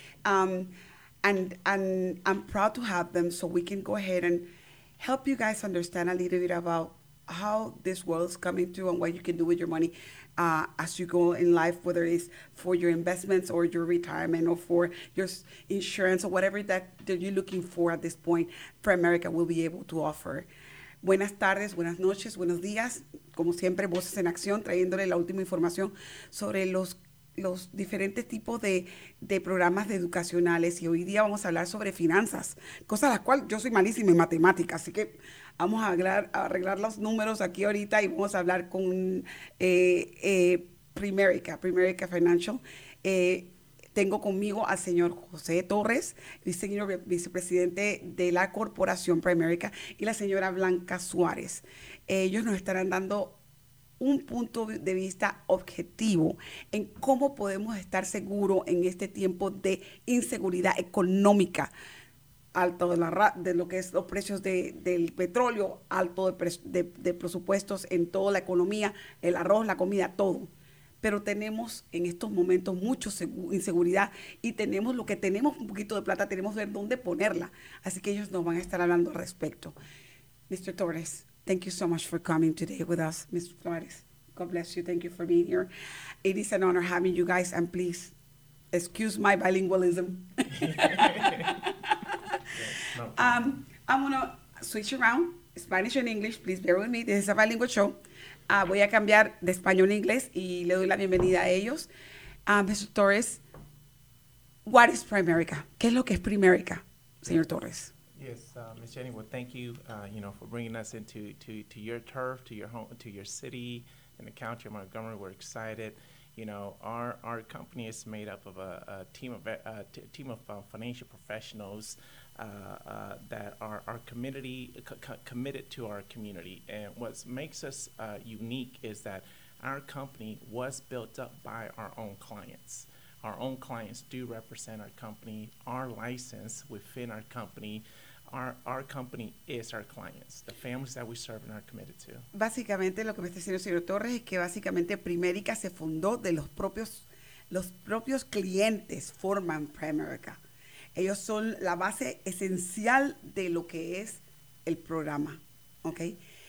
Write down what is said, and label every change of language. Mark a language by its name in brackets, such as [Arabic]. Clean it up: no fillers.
[English] And I'm proud to have them, so we can go ahead and help you guys understand a little bit about how this world's coming through and what you can do with your money as you go in life, whether it's for your investments or your retirement or for your insurance or whatever that you're looking for at this point, Primerica will be able to offer. [Spanish] Buenas tardes, buenas noches, buenos días. Como siempre, Voces en Acción, trayéndole la última información sobre los diferentes tipos de programas de educacionales. Y hoy día vamos a hablar sobre finanzas, cosa a la cual yo soy malísima en matemáticas, así que vamos a arreglar los números aquí ahorita y vamos a hablar con Primerica Financial. Tengo conmigo al señor José Torres, vicepresidente de la corporación Primerica, y la señora Blanca Suárez. Ellos nos estarán dando un punto de vista objetivo en cómo podemos estar seguros en este tiempo de inseguridad económica, alto de lo que es los precios del petróleo, alto de presupuestos en toda la economía, el arroz, la comida, todo. Pero tenemos en estos momentos mucha inseguridad y tenemos lo que tenemos, un poquito de plata, tenemos que ver dónde ponerla. Así que ellos nos van a estar hablando al respecto. [English] Mr. Torres, thank you so much for coming today with us. Ms. Flores, God bless you. Thank you for being here. It is an honor having you guys. And please, excuse my bilingualism. I'm going to switch around, Spanish and English. Please bear with me. This is a bilingual show. [Spanish] Voy a cambiar de español a inglés y le doy la bienvenida a ellos. Mr. Torres, [English] what is Primerica? [Spanish] ¿Qué es lo que es Primerica, señor Torres? [English] Yes, Ms. Jenny, well, thank you, for bringing us into to your turf, to your home, to your city, and the county of Montgomery. We're excited. You know, our company is made up of a team of financial professionals that are our community committed to our community. And what makes us unique is that our company was built up by our own clients. Our own clients do represent our company. Our license within our company, our company is our clients. The families that we serve and are committed to. [Spanish] Básicamente, lo que me está diciendo el señor Torres es que básicamente Primerica se fundó de los propios clientes forman Primerica. Ellos son la base esencial de lo que es el programa, okay?